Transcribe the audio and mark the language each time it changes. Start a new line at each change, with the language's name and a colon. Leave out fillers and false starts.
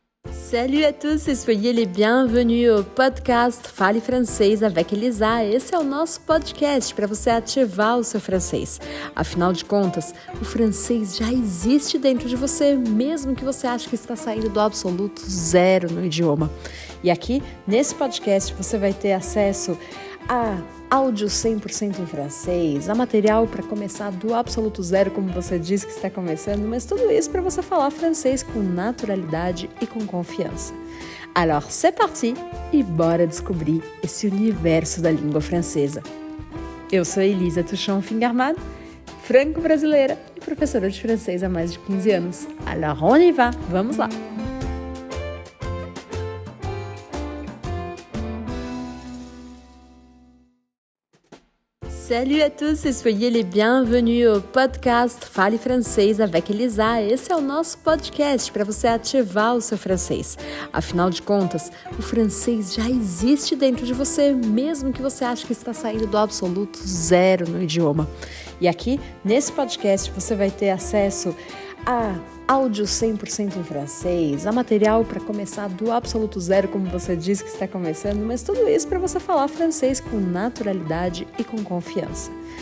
French: Salut à tous et soyez les bienvenus au podcast Fale Francês avec Elisa.
Portuguese: Esse é o nosso podcast para você ativar o seu francês. Afinal de contas, o francês já existe dentro de você, mesmo que você ache que está saindo do absoluto zero no idioma. E aqui, nesse podcast, você vai ter acesso a áudio 100% em francês, a material para começar do absoluto zero, como você disse que está começando, mas tudo isso para você falar francês com naturalidade e com confiança.
French: Alors, c'est parti
Portuguese: e bora descobrir esse universo da língua francesa. Eu sou Elisa Touchon Fingarmad, franco-brasileira e professora de francês há mais de 15 anos.
French: Alors, on y va,
Portuguese: vamos lá!
French: Salut à tous et soyez les bienvenus au podcast Fale Francês avec Elisa.
Portuguese: Esse é o nosso podcast para você ativar o seu francês. Afinal de contas, o francês já existe dentro de você, mesmo que você ache que está saindo do absoluto zero no idioma. E aqui, nesse podcast, você vai ter acesso a áudio 100% em francês, a material para começar do absoluto zero, como você disse que está começando, mas tudo isso para você falar francês com naturalidade e com confiança.